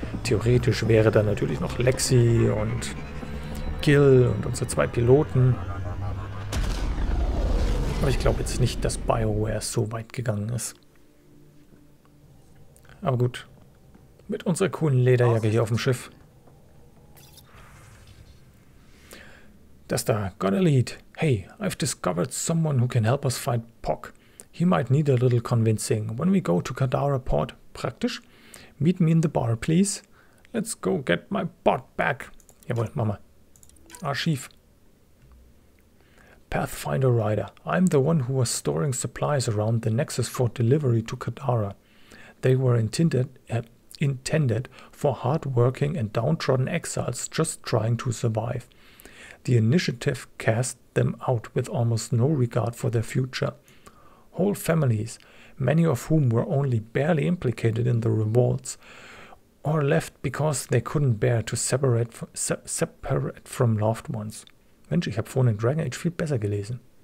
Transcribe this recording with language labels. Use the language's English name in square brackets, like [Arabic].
[German] Theoretisch wäre da natürlich noch Lexi und Gil und unsere zwei Piloten. Aber ich glaube jetzt nicht, dass BioWare so weit gegangen ist. Aber gut. Mit unserer coolen Lederjacke hier auf dem Schiff. Das da. [English] Gonna lead. Hey, I've discovered someone who can help us fight Pock. He might need a little convincing. When we go to Kadara Port, [German] praktisch. [English] Meet me in the bar, please. Let's go get my bot back. [German] Jawohl, Mama. Archiv. [English] Pathfinder Rider. I'm the one who was storing supplies around the Nexus for delivery to Kadara. They were intended for hard-working and downtrodden exiles just trying to survive. The initiative cast them out with almost no regard for their future. Whole families, many of whom were only barely implicated in the revolts, or left because they couldn't bear to separate from loved ones. [German] Mensch, ich habe vorhin in Dragon Age viel besser gelesen.